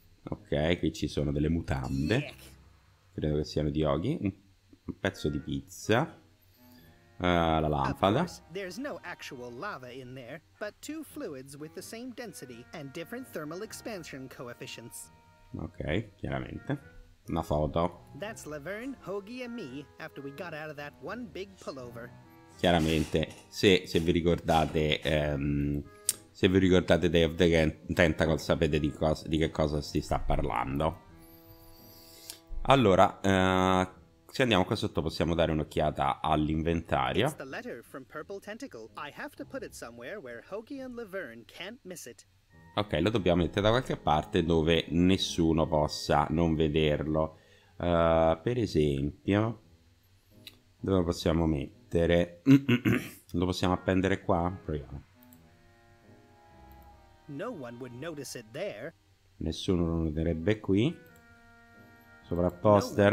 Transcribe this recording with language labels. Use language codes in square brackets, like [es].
[it] Ok, qui ci sono delle mutande. Credo che siano di Hoagie. un pezzo di pizza. La lampada. [en] There's no actual lava in there, but two fluids with the same density and different thermal expansion coefficients. Ok, [it] chiaramente. Una foto. [en] That's Laverne, Hoagie and me after we got out of that one big pullover. [it] Chiaramente, se vi ricordate Day of the Tentacle, sapete di che cosa si sta parlando. Allora, se andiamo qua sotto possiamo dare un'occhiata all'inventario. [en] It's the letter from Purple Tentacle. I have to put it somewhere where Hoagie and Laverne can't miss it. [it] Ok, lo dobbiamo mettere da qualche parte dove nessuno possa non vederlo. Per esempio, dove lo possiamo mettere? Lo possiamo appendere qua? Proviamo. [en] No one would notice it there. [it] Nessuno lo noterebbe qui. Sopra poster.